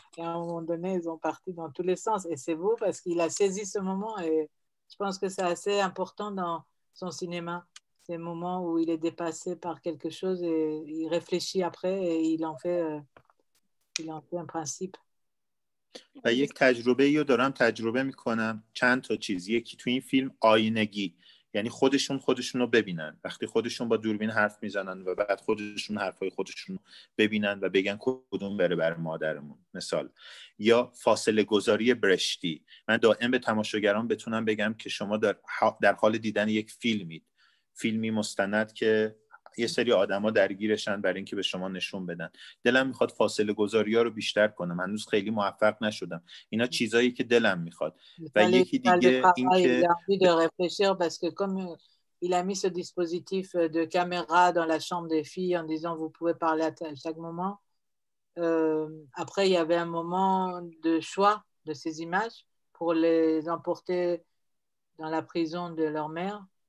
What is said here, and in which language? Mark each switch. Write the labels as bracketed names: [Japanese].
[French] Et à un moment donné, elles ont parti dans tous les sens. Et c'est beau parce qu'il a saisi ce moment. Et je pense que c'est assez important dans son cinéma, ces moments où il est dépassé par quelque chose et il réfléchit après et il en fait un principe. [Persian] و یک تجربه ای رو دارم تجربه میکنم، چند تا چیز. یکی تو این فیلم آینگی، یعنی خودشون رو ببینن وقتی خودشون با دوربین حرف میزنن و بعد خودشون حرفای خودشون رو ببینن و بگن کدوم بره بر مادرمون، مثال. یا فاصله گذاری برشتی، من دائم به تماشاگران بتونم بگم که شما در حال دیدن یک فیلمی مستند که یه سری آدم ها درگیرشن برای اینکه به شما نشون بدن. دلم میخواد فاصله گذاری ها رو بیشتر کنم، هنوز خیلی موفق نشدم. اینا چیزایی که دلم میخواد. و یکی دیگه این که [French] il a envie de réfléchir parce que comme il a mis ce dispositif de caméra dans la chambre des filles en disant vous pouvez parler à chaque moment, après il y avait un moment de choix de ces images pour les emporter dans la prison de leur mère.